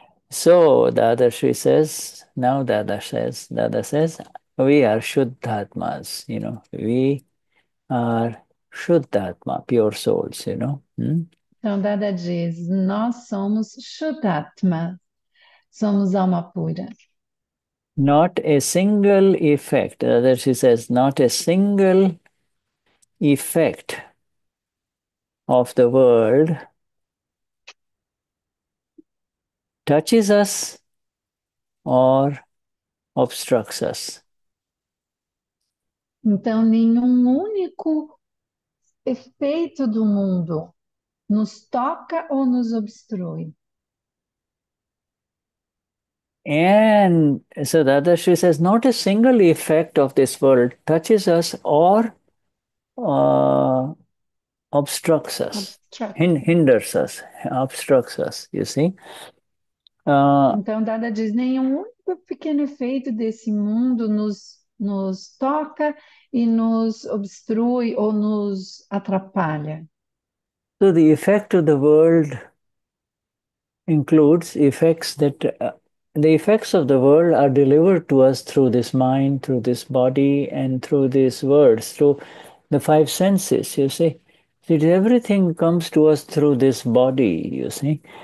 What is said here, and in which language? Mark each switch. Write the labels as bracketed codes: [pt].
[en] So Dadashri says, now Dada says, we are Shuddhatmas, we are Shuddhatma, pure souls, [pt] Então, Dada diz, nós somos Shuddhatma, somos alma pura. [en] Not a single effect. Dadashri says, not a single effect of the world touches us or obstructs us. [pt] Então, nenhum único efeito do mundo. Nos toca ou nos obstrui? [en] And so Dadashri says, not a single effect of this world touches us or obstructs us, Obstructs. hinders us, obstructs us, you see? [pt] Então, Dada diz: nenhum único pequeno efeito desse mundo nos toca e nos obstrui ou nos atrapalha. [en] So the effect of the world includes effects the effects of the world are delivered to us through this mind, through this body, and through these words, through the five senses, you see. Everything comes to us through this body, you see.